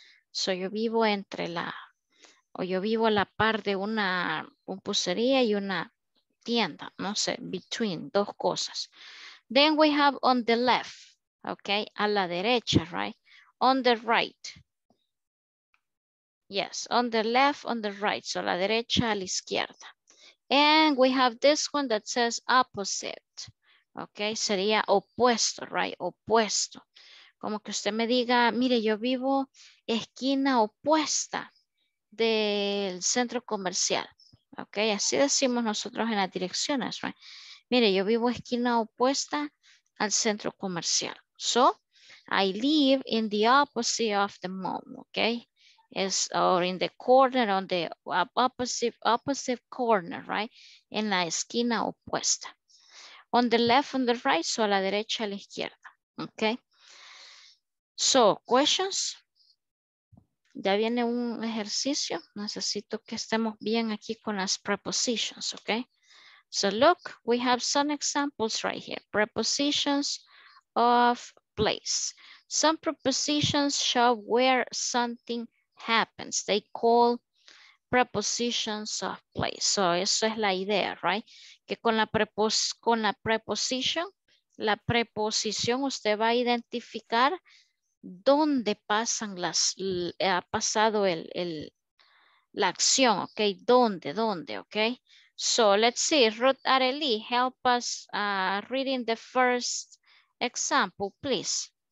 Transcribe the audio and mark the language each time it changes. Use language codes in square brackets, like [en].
[es] So yo vivo entre la, o yo vivo a la par de una pulpería y una tienda, no sé, between, dos cosas. [en] Then we have on the left, okay, [es] a la derecha, [en] right? On the right. Yes, on the left, on the right, so [es] la derecha, a la izquierda. [en] And we have this one that says opposite. [es] Okay, sería opuesto, [en] right? [es] Opuesto. Como que usted me diga, mire, yo vivo esquina opuesta del centro comercial. Okay, así decimos nosotros en las direcciones, [en] right? [es] Mire, yo vivo esquina opuesta al centro comercial. [en] So, I live in the opposite of the mall, okay? Is or in the corner on the opposite corner, right? [es] En la esquina opuesta. [en] On the left, on the right, so [es] a la derecha, a la izquierda. Okay. [en] So, questions? [es] Ya viene un ejercicio. Necesito que estemos bien aquí con las prepositions, okay? [en] So, look, we have some examples right here. Prepositions of place. Some prepositions show where something happens. They call prepositions of place. [es] So, eso es la idea, [en] right? [es] Que con la preposición, la preposición, usted va a identificar dónde pasan las, ha pasado la acción, okay? Dónde, dónde, [en] okay? So, let's see. Ruth Arely, help us reading the first example, please.